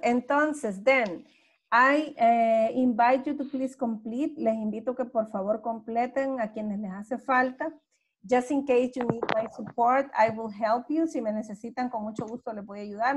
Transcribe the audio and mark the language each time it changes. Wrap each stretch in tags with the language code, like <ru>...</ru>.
<es>Entonces,</es> <en>then, I invite you to please complete.</en> <es>Les invito que por favor completen a quienes les hace falta.</es> <en>Just in case you need my support, I will help you.</en> <es>Si me necesitan, con mucho gusto les voy a ayudar.</es>